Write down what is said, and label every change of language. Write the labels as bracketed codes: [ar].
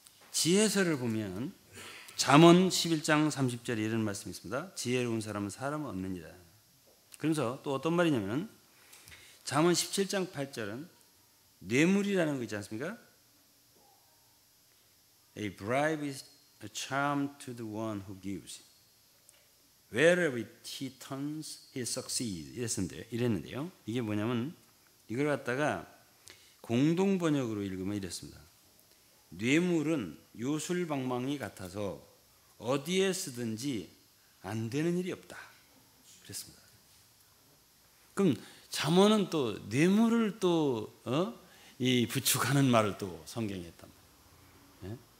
[ko] 지혜서를 보면 잠언 11장 30절에 이런 말씀이 있습니다. 지혜로운 사람은 사람을 얻느니라. 그러면서 또 어떤 말이냐면 잠언 17장 8절은 뇌물이라는 거 있지 않습니까? [en] A bribe is a charm to the one who gives. Wherever he turns, he succeeds. [ko] 이랬는데요. 이게 뭐냐면 이걸 갖다가 공동 번역으로 읽으면 이랬습니다. 뇌물은 요술방망이 같아서 어디에 쓰든지 안 되는 일이 없다. 그랬습니다. 그럼 잠언은 또 뇌물을 또 이 부축하는 말을 또 성경에 했단 말이에요. 예?